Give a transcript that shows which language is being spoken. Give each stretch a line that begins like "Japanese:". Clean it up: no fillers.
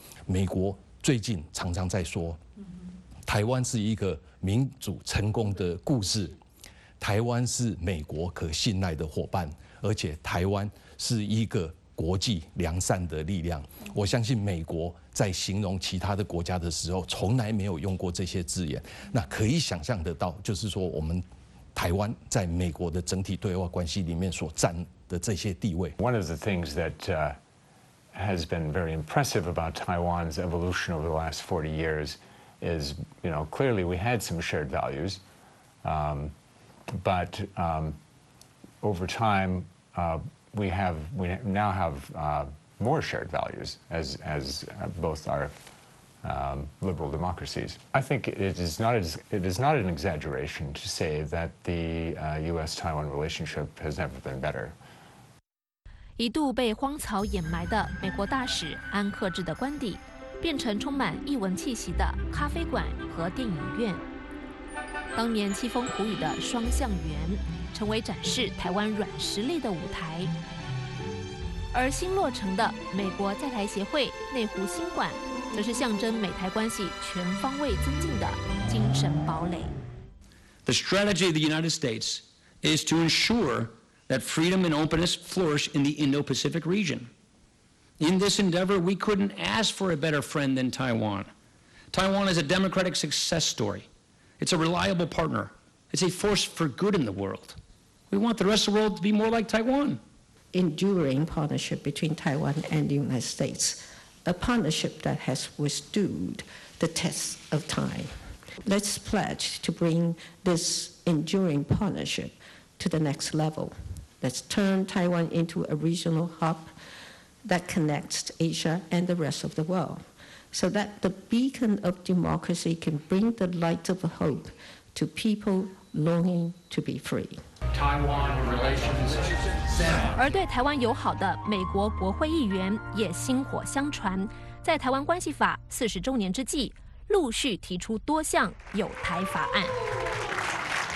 Chinese: 美国最近常常在说，台湾是一个民主成功的故事，台湾是美国可信赖的伙伴，而且台湾是一个国际良善的力量。我相信美国在形容其他的国家的时候，从来没有用过这些字眼。那可以想象得到，就是说我们台湾在美国的整体对外关系里面所占的这些地位。
English: One of the things that has been very impressive about Taiwan's evolution over the last 40 years is, you know, clearly we had some shared values, but over time, we now have more shared values as both our liberal democracies. I think it is not an exaggeration to say that the U.S.-Taiwan relationship has never been better.
Chinese: 一度被荒草掩埋的美国大使安克智的官邸，变成充满异文气息的咖啡馆和电影院。当年凄风苦雨的双向园，成为展示台湾软实力的舞台。而新落成的美国在台协会内湖新馆，则是象征美台关系全方位增进的精神堡垒。
English: The strategy of the United States is to ensure that freedom and openness flourish in the Indo-Pacific region. In this endeavor, we couldn't ask for a better friend than Taiwan. Taiwan is a democratic success story. It's a reliable partner. It's a force for good in the world. We want the rest of the world to be more like Taiwan. Enduring partnership between Taiwan and the United States, a partnership that has withstood the test of time. Let's pledge to bring this enduring partnership to the next level. Let's turn Taiwan into a regional hub. That connects Asia and the rest of the world, so that the beacon of democracy can bring the light of hope to people longing to be free. Taiwan relations.
Chinese: 而对台湾友好的美国国会议员也薪火相传，在台湾关系法四十周年之际，陆续提出多项友台法案。